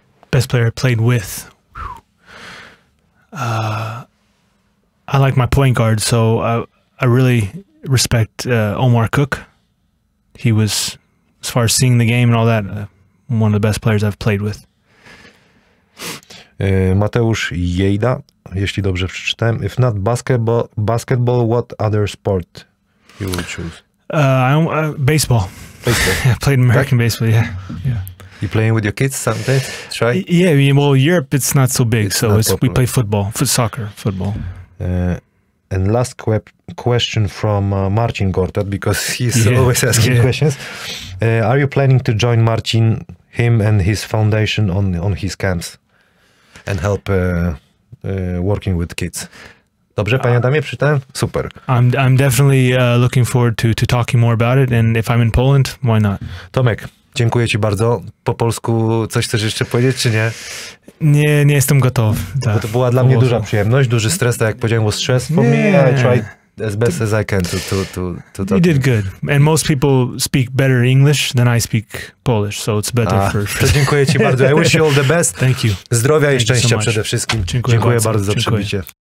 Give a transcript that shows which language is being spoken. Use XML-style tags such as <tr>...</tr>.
<en>Best player I played with? I like my point guard, so I really respect Omar Cook. He was, as far as seeing the game and all that, one of the best players I've played with.</en> <pl>Mateusz Jejda, jeśli dobrze przeczytałem.</pl> <en>If not basketball, what other sport you will choose? Baseball. Baseball. I played American baseball, yeah. You playing with your kids sometimes? Try? Yeah, well, Europe, it's not so big. We play football, soccer. And last question from Marcin Gortat, because he's always asking questions. Are you planning to join Marcin, him and his foundation on his camps? And help working with kids.</en> <pl>Dobrze, panie Adamie, przeczytałem? Super.</pl> <en>I'm definitely looking forward to talking more about it, and if I'm in Poland, why not?</en> <pl>Tomek, dziękuję ci bardzo. Po polsku coś chcesz jeszcze powiedzieć, czy nie? Nie jestem gotowy. Tak. To była dla mnie duża przyjemność, duży stres, tak jak powiedziałem, was stress for me.</pl> <en>I tried as best as I can to talk. You did good. And most people speak better English than I speak Polish, so it's better for... Dziękuję ci bardzo. I wish you all the best. Thank you.</en> <pl>Zdrowia</pl> <en>Thank</en> <pl>i szczęścia so przede wszystkim. Dziękuję bardzo za przybycie.</pl>